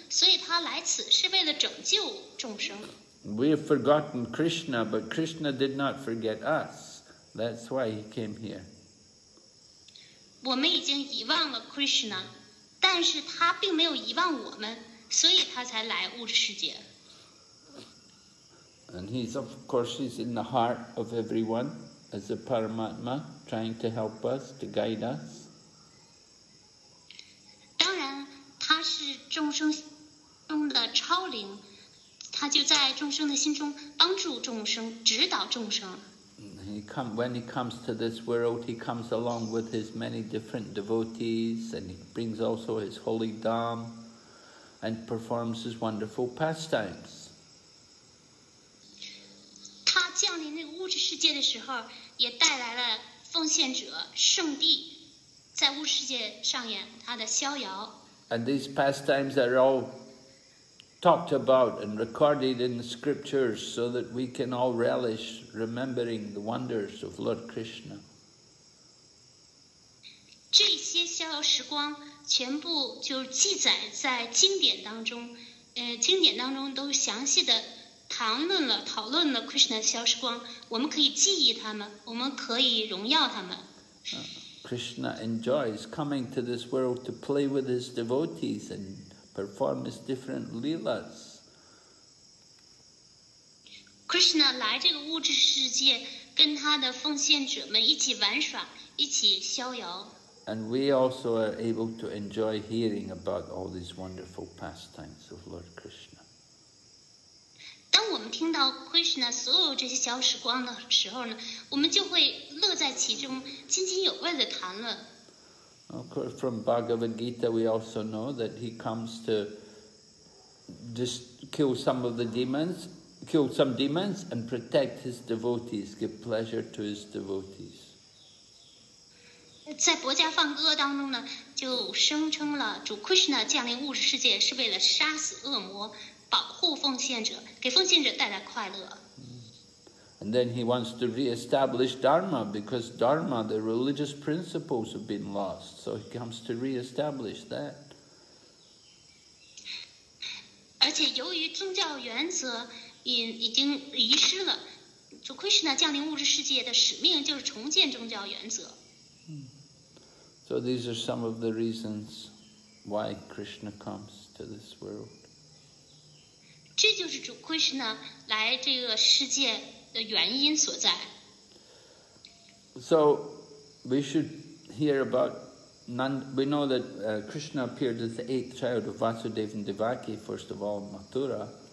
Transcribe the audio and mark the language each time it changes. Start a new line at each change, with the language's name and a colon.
Chinese: 我们可以说，因为他是众生的祝福者，是众生最好的朋友，所以他来此是为了拯救众生。
English: We have forgotten Krishna, but Krishna did not forget us. That's why he came here.
Chinese: 我们已经遗忘了 Krishna, 但是他并没有遗忘我们，所以他才来物质世界。
English: And he's of course he's in the heart of everyone. As a Paramatma, trying to help us, to guide us.
Chinese: 当然，他是众生中的超灵，他就在众生的心中帮助众生，指导众生。
English: When he comes to this world, he comes along with his many different devotees, and he brings also his holy dham, and performs his wonderful pastimes.
Chinese: 他降临这个物质世界的时候，也带来了奉献者圣谛，在物质世界上演他的逍遥。
English: And these pastimes are all talked about and recorded in the scriptures so that we can all relish remembering the wonders of Lord Krishna.
Chinese: 这些逍遥时光全部就记载在经典当中，经典当中都详细的讨论了 Krishna 的逍遥时光，我们可以记忆他们，我们可以荣耀他们。
English: Krishna enjoys coming to this world to play with his devotees and perform his different leelas.
Chinese: Krishna 来这个物质世界，跟他的奉献者们一起玩耍，一起逍遥。
English: And we also are able to enjoy hearing about all these wonderful pastimes of Lord Krishna.
Chinese: 当我们听到 Krishna 所有这些逍遥时光的时候呢，我们就会乐在其中，津津有味的谈论。
English: Of course, from Bhagavad Gita, we also know that he comes to kill some demons, and protect his devotees, give pleasure to his devotees.
Chinese: 在《薄伽梵歌》当中呢，就声称了主 Krishna 降临物质世界是为了杀死恶魔，保护奉献者，给奉献者带来快乐。
English: And then he wants to re-establish Dharma, because Dharma, the religious principles, have been lost. So he comes to re-establish that.
Chinese: 而且由于宗教原则已经遗失了，主 Krishna 降临物质世界的使命就是重建宗教原则。
English: So these are some of the reasons why Krishna comes to this world.
Chinese: 这就是主 Krishna 来这个世界的原因所在。
English: So we should hear about we know that Krishna appeared as the eighth child of Vasudeva and Devaki, first of all in Mathura.